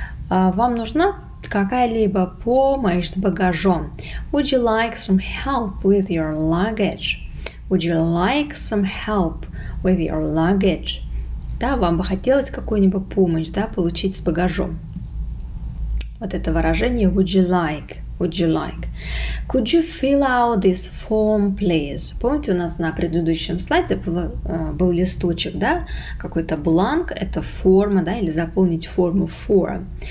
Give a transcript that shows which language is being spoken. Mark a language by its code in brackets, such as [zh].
[ru] Вам нужна какая-либо помощь с багажом? [en] Would you like some help with your luggage? Would you like some help with your luggage? [ru] Да, вам бы хотелось какую-нибудь помощь, да, получить с багажом. Вот это выражение [en] would you like. would you like? Could you fill out this form, please? [ru] Помните, у нас на предыдущем слайде был листочек, да? Какой-то бланк, это форма, да? Или заполнить форму for.